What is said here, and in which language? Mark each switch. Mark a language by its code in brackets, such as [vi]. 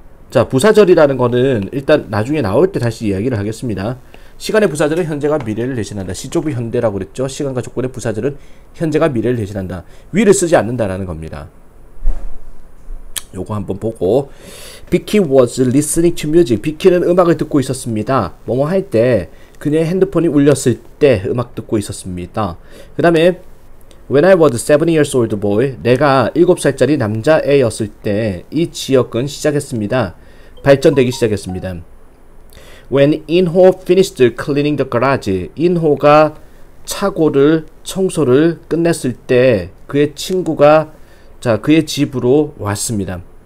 [ko] 자, 부사절이라는 거는 일단 나중에 나올 때 다시 이야기를 하겠습니다. 시간의 부사절은 현재가 미래를 대신한다. 시조부 현대라고 그랬죠. 시간과 조건의 부사절은 현재가 미래를 대신한다. 위를 쓰지 않는다라는 겁니다. 요거 한번 보고. [en] Vicky was listening to music. [ko] Vicky는 음악을 듣고 있었습니다. 뭐뭐 할 때, 그녀의 핸드폰이 울렸을 때 음악 듣고 있었습니다. 그 다음에, [en] When I was 7 years old boy, [ko] 내가 7살짜리 남자애였을 때, 이 지역은 시작했습니다. 발전되기 시작했습니다. [en] When Inho finished cleaning the garage, [ko] Inho가 차고를 청소를 끝냈을 때, 그의 친구가 그의 집으로 왔습니다.